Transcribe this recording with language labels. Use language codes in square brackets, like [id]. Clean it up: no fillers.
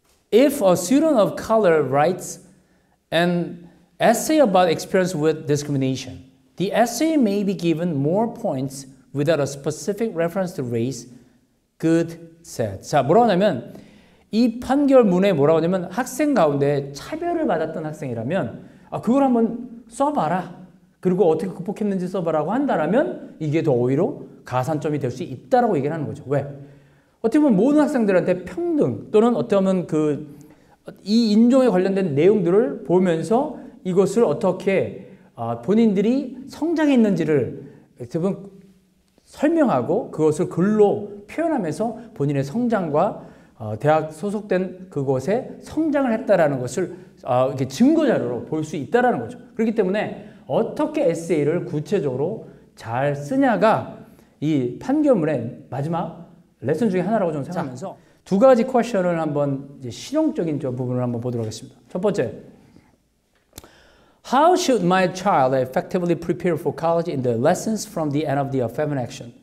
[en] If a student of color writes an essay about experience with discrimination, the essay may be given more points without a specific reference to race, good, sad. [ko] 자, 뭐라고 하냐면 이 판결문에 뭐라고 하냐면 학생 가운데 차별을 받았던 학생이라면 그걸 한번 써봐라. 그리고 어떻게 극복했는지 써봐라고 한다라면 이게 더 오히려 가산점이 될 수 있다라고 얘기를 하는 거죠. 왜? 어떻게 보면 모든 학생들한테 평등 또는 어떻게 보면 그 이 인종에 관련된 내용들을 보면서 이것을 어떻게 본인들이 성장했는지를 대부분 설명하고 그것을 글로 표현하면서 본인의 성장과 대학 소속된 그곳에 성장을 했다라는 것을 이렇게 증거자료로 볼 수 있다라는 거죠. 그렇기 때문에 어떻게 에세이를 구체적으로 잘 쓰냐가 이 판결문의 마지막 레슨 중에 하나라고 저는 생각하면서 자, 두 가지 퀘션을 한번 이제 실용적인 저 부분을 한번 보도록 하겠습니다. [en] 첫 번째, How should my child effectively prepare for college in the lessons from the end of the affirmative action?